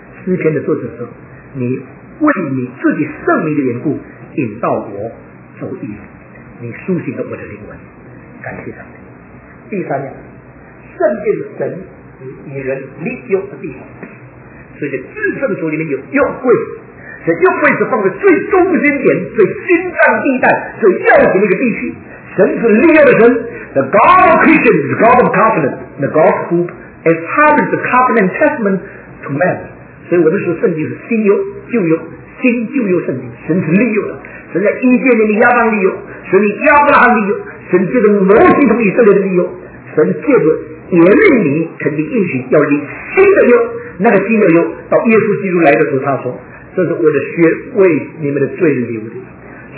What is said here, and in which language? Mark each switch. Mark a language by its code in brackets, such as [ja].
[zh] 诗篇的作者说，你为你自己圣名的缘故引导我走义路，你苏醒了我的灵魂。感谢上帝。第三样，圣殿的神与人立约的地方，所以在至圣所里面有约柜，这约柜是放在最中心点、最心脏地带、最要紧的一个地区。神是立约的神。 [en] The God of Christians, the God of Covenant, the God who established the covenant testament to man. [zh] 所以我们说圣经是新约、旧约、新旧约圣经。神是立约的，神在伊甸园里亚当立约，神在亚伯拉罕立约，神借着摩西同以色列的立约，神借着耶利米肯定应许要立新的约。那个新的约到耶稣基督来的时候，他说：“这是我的血为你们的罪流的。”